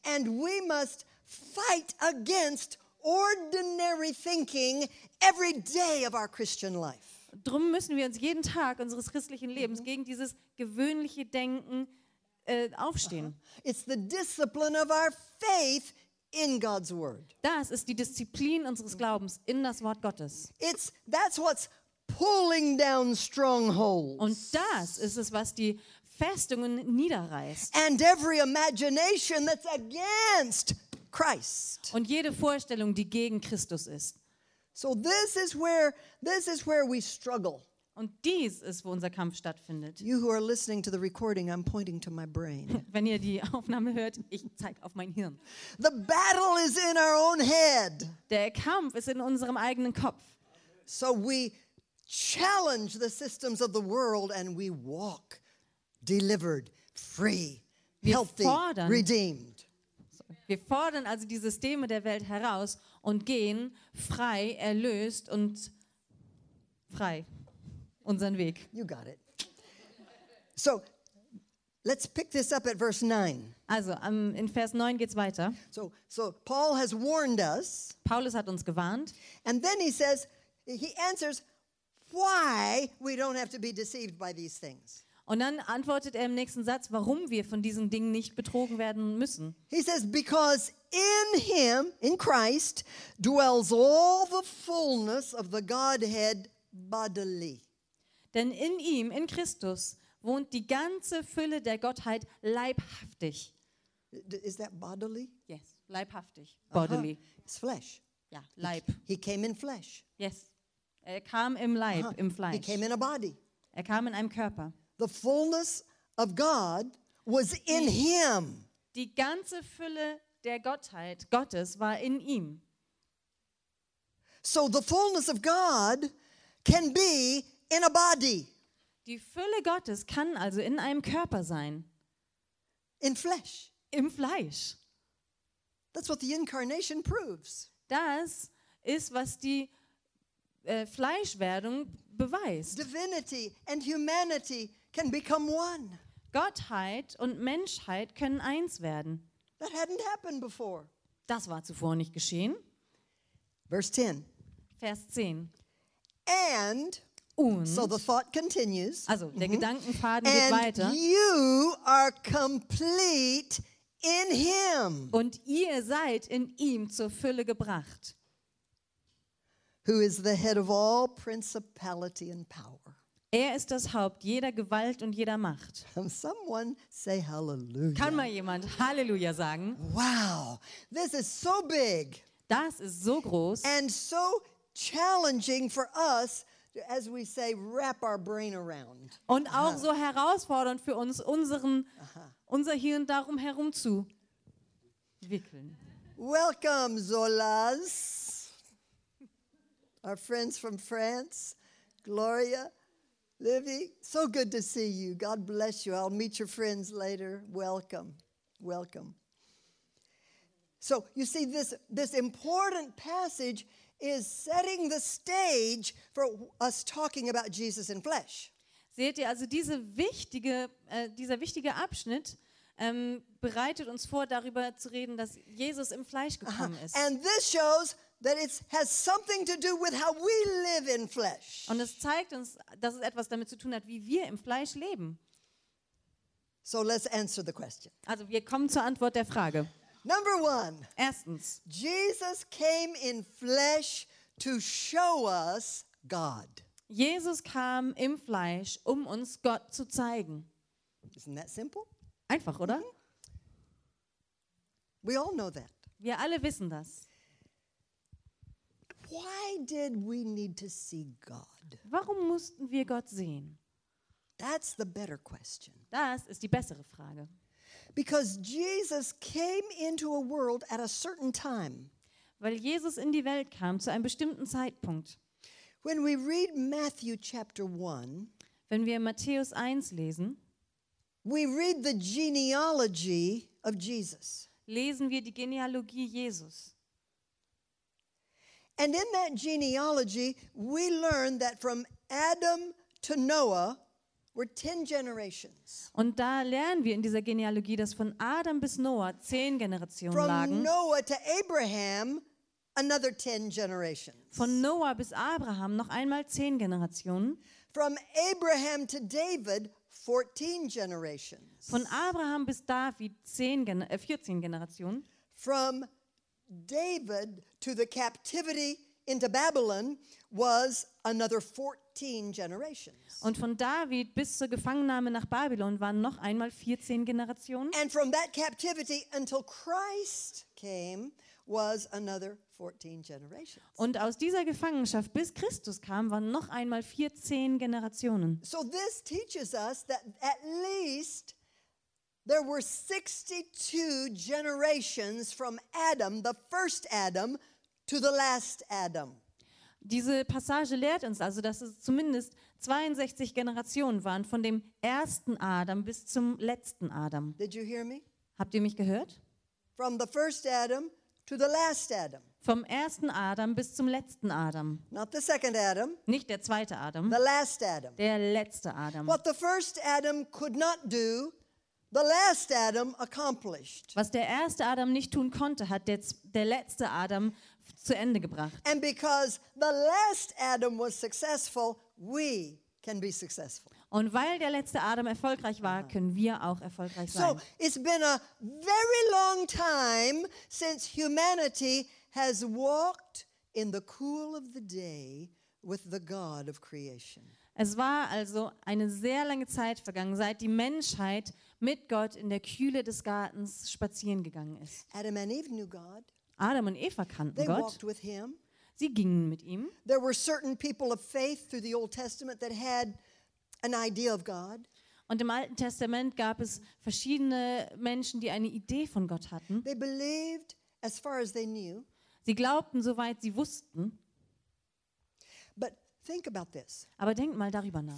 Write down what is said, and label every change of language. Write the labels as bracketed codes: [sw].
[en] And we must fight against ordinary thinking every day of our Christian life. [de] Drum müssen wir uns jeden Tag unseres christlichen Lebens gegen dieses gewöhnliche Denken aufstehen. [en] It's the discipline of our faith in God's word. [de] Das ist die Disziplin unseres Glaubens in das Wort Gottes. [en] That's what's pulling down strongholds. [de] Und das ist es, was die Festungen niederreißt. [en] And every imagination that's against Christ. [de] Und jede Vorstellung, die gegen Christus ist. [en] So this is where we struggle. [de] Und dies ist, wo unser Kampf stattfindet. [en] You who are listening to the recording, I'm pointing to my brain. [de] Wenn ihr die Aufnahme hört, ich zeig auf mein Hirn. [en] The battle is in our own head. [de] Der Kampf ist in unserem eigenen Kopf. [en] So we challenge the systems of the world and we walk delivered, free, healthy, redeemed. [de] Wir fordern also die Systeme der Welt heraus und gehen frei, erlöst und frei. Unseren Weg. [en] You got it. So, let's pick this up at verse 9. [de] Also, in Vers 9 geht's weiter. [en] So Paul has warned us. [de] Paulus hat uns gewarnt. [en] And then he says, he answers why we don't have to be deceived by these things. [de] Und dann antwortet im nächsten Satz, warum wir von diesen Dingen nicht betrogen werden müssen. [en] He says, because in him, in Christ, dwells all the fullness of the Godhead bodily. [de] Denn in ihm, in Christus, wohnt die ganze Fülle der Gottheit leibhaftig. [en] Is that bodily? Yes, leibhaftig. Bodily. Uh-huh. It's flesh. [de] Ja, Leib. [en] He came in flesh. Yes. [de] Er kam im Leib, im Fleisch. [en] He came in a body. [de] Er kam in einem Körper. [en] The fullness of God was in him. [de] Die ganze Fülle der Gottheit, Gottes, war in ihm. [en] So the fullness of God can be in a body. [de] Die Fülle Gottes kann also in einem Körper sein. [en] In flesh. [de] Im Fleisch. [en] That's what the incarnation proves. [de] Das ist, was die Fleischwerdung beweist. [en] Divinity and humanity can become one. [de] Gottheit und Menschheit können eins werden. [en] That hadn't happened before. [de] Das war zuvor nicht geschehen. [en] Verse 10. [de] Vers 10. [en] And so the thought continues. [de] Also, der Gedankenfaden geht weiter. [en] You are complete in him. [de] Und ihr seid in ihm zur Fülle gebracht. [en] Who is the head of all principality and power. [de] Er ist das Haupt jeder Gewalt und jeder Macht. [en] Someone say hallelujah. [de] Kann mal jemand Halleluja sagen? [en] Wow, this is so big. [de] Das ist so groß. [en] And so challenging for us, as we say, wrap our brain around. [de] Und auch so herausfordernd für uns, unser Hirn darum herum zu wickeln. [en] Welcome, Zolas. Our friends from France, Gloria, Livy, so good to see you. God bless you. I'll meet your friends later. Welcome. Welcome. So, you see, this important passage is setting the stage for us talking about Jesus in flesh. [de] Seht ihr, also dieser wichtige Abschnitt bereitet uns vor, darüber zu reden, dass Jesus im Fleisch gekommen ist. [en] And this shows that it has something to do with how we live in flesh. [de] Und es zeigt uns, dass es etwas damit zu tun hat, wie wir im Fleisch leben. [en] So let's answer the question. [de] Also wir kommen zur Antwort der Frage. [en] Number one. [de] Erstens. [en] Jesus came in flesh to show us God. [de] Jesus kam im Fleisch, um uns Gott zu zeigen. [en] Isn't that simple? [de] Einfach, oder? [en] Mm-hmm. We all know that. [de] Wir alle wissen das. [en] Why did we need to see God? [de] Warum mussten wir Gott sehen? [en] That's the better question. [de] Das ist die bessere Frage. [en] Because Jesus came into a world at a certain time. [de] Weil Jesus in die Welt kam zu einem bestimmten Zeitpunkt. [en] When we read Matthew chapter 1, [de] wenn wir Matthäus 1 lesen, [en] we read the genealogy of Jesus. [de] Lesen wir die Genealogie Jesus. [en] And in that genealogy, we learn that from Adam to Noah were 10 generations. [de] Und da lernen wir in dieser Genealogie, dass von Adam bis Noah 10 Generationen [en] from [de] lagen. [en] From Noah to Abraham, another 10 generations. [de] Von Noah bis Abraham noch einmal 10 Generationen. [en] From Abraham to David, 14 generations. [de] Von Abraham bis David 14 Generationen. [en] From David to the captivity into Babylon was another 14 generations. [de] Und von David bis zur Gefangennahme nach Babylon waren noch einmal 14 Generationen. [en] And from that captivity until Christ came was another 14 generations. [de] Und aus dieser Gefangenschaft bis Christus kam waren noch einmal 14 Generationen. [en] So this teaches us that at least there were 62 generations from Adam, the first Adam, to the last Adam. [de] Diese Passage lehrt uns also, dass es zumindest 62 Generationen waren von dem ersten Adam bis zum letzten Adam. [en] Did you hear me? [de] Habt ihr mich gehört? [en] From the first Adam to the last Adam. [de] Vom ersten Adam bis zum letzten Adam. [en] Not the second Adam. [de] Nicht der zweite Adam. [en] The last Adam. [de] Der letzte Adam. [en] What the first Adam could not do, the last Adam accomplished. [de] Was der erste Adam nicht tun konnte, hat der letzte Adam zu Ende gebracht. [en] And because the last Adam was successful, we can be successful. [de] Und weil der letzte Adam erfolgreich war, können wir auch erfolgreich [en] so [de] sein. [en] So, it's been a very long time since humanity has walked in the cool of the day with the God of creation. [de] Es war also eine sehr lange Zeit vergangen, seit die Menschheit mit Gott in der Kühle des Gartens spazieren gegangen ist. [en] Adam and Eve knew God. [de] Adam und Eva kannten [en] They [de] Gott. [en] Walked with him. [de] Sie gingen mit ihm. [en] There were certain people of faith through the Old Testament that had an idea of God. [de] Und im Alten Testament gab es verschiedene Menschen, die eine Idee von Gott hatten. [en] They believed as far as they knew. [de] Sie glaubten, soweit sie wussten. [en] But think about this. [de] Aber denkt mal darüber nach.